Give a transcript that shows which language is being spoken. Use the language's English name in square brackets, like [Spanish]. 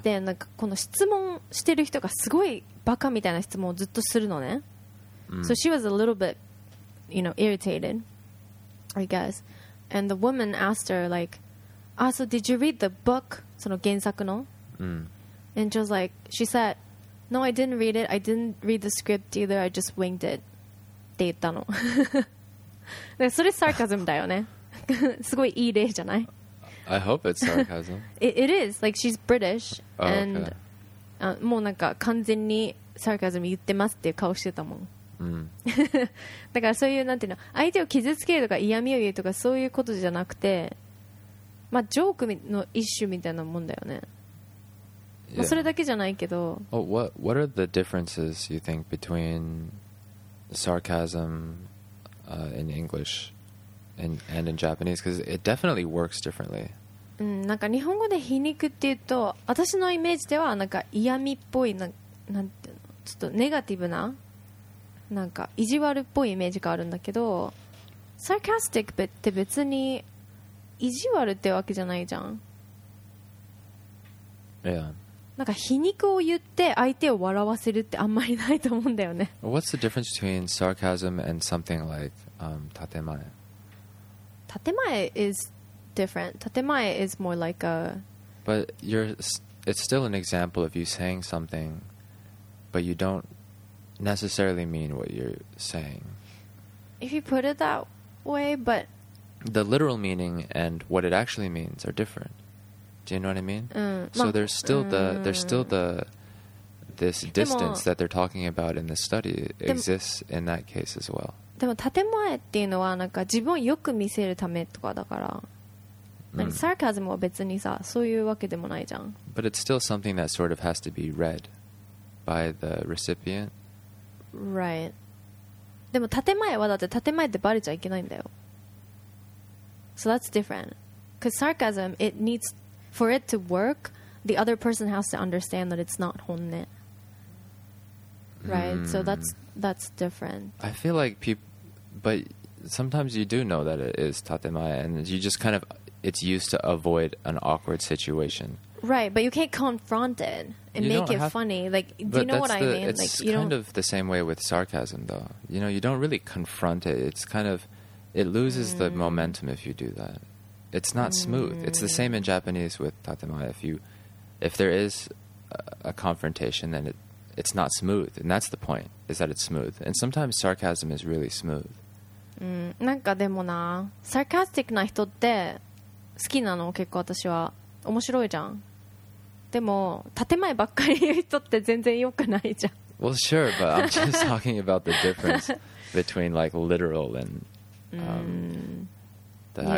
[Japanese] で、なんかこの質問してる人がすごいバカみたいな質問をずっとするのね、 [English] So she was a little bit, you know, irritated, I guess. And the woman asked her, like, ah, so did you read the book? [Japanese] その原作の? [English] And she was like, she said, no, I didn't read it. I didn't read the script either. I just winged it. [Japanese] って言ったの。で、それサーカズムだよね。すごいいい例じゃない? [English] I hope it's sarcasm. it is. Like, she's British. Oh, and, okay. And [Japanese] もうなんか完全にサーカズム言ってますっていう顔してたもん。だからそういうなんていうの、相手を傷つけるとか嫌味を言うとかそういうことじゃなくて、まあジョークの一種みたいなもんだよね。 [English] Yeah. [Japanese] まあそれだけじゃないけど。 [English] Oh, what are the differences you think between sarcasm in English and in Japanese? Because it definitely works differently. [Japanese] なんか日本語で皮肉っていうと、私のイメージではなんか嫌味っぽい、なんていうの、ちょっとネガティブな。なんか意地悪っぽいイメージがあるんだけど、サーカスティックって別に意地悪ってわけじゃないじゃん。いや。なんか皮肉を言って相手を笑わせるってあんまりないと思うんだよね。 [English] What's the difference between sarcasm and something like 建前？建前 is different. 建前 is more like a. But it's still an example of you saying something, but you don't. Necessarily mean what you're saying. If you put it that way, but the literal meaning and what it actually means are different. Do you know what I mean? So there's still this distance that they're talking about in the study exists in that case as well. [Japanese] でも建前っていうのはなんか自分をよく見せるためとかだから。 [English] And [Japanese] sarcasm は別にさそういうわけでもないじゃん。 [English] But it's still something that sort of has to be read by the recipient. Right. [Japanese] でも建前はだって建前ってバレちゃいけないんだよ。 [English] So that's different. Because sarcasm, it needs for it to work, the other person has to understand that it's not 本音. Right. So that's different. I feel like people, but sometimes you do know that it is 建前, and you just kind of it's used to avoid an awkward situation. Right, but you can't confront it and you make it funny. Like, do you know what I mean? It's like, kind of the same way with sarcasm, though. You know, you don't really confront it. It's kind of, it loses the momentum if you do that. It's not smooth. It's the same in Japanese with tatemae. If there is a confrontation, then it's not smooth. And that's the point, is that it's smooth. And sometimes sarcasm is really smooth. [Japanese] なんかでもな、sarcastic な人って好きなの結構私は。面白いじゃん。でも建前ばっかり言う人って全然良くないじゃん。 [English] Well, sure, but I'm just talking about the difference between like literal and the actual